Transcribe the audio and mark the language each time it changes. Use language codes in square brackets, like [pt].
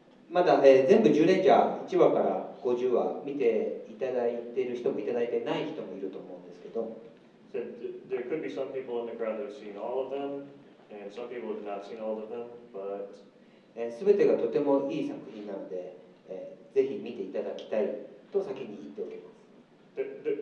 [ja] まだ、全部ジュレンジャー1話から50話見ていただいている人もいただいてない人もいると思うんですけど。 [en] So, there could be some people in the crowd that have seen all of them, and some people have not seen all of them, but... [ja] 全てがとてもいい作品なので、ぜひ見ていただきたいと先に言っておきます。